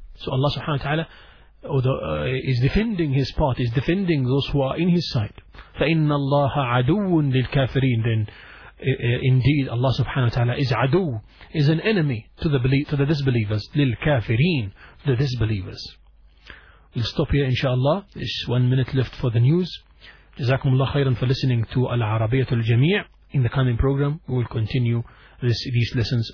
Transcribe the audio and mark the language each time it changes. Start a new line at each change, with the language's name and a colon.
English: So Allah subhanahu wa ta'ala is defending his part, is defending those who are in his side.
Arabic: فَإِنَّ اللَّهَ عَدُوٌ لِلْكَافِرِينَ.
English: Then indeed Allah subhanahu wa ta'ala is adu, is an enemy to the disbelievers. للكافرين, the disbelievers. We'll stop here inshallah. There's 1 minute left for the news.
Arabic: جزاكم الله خيرا
English: for listening to العربية الجميع. In the coming program we will continue these lessons.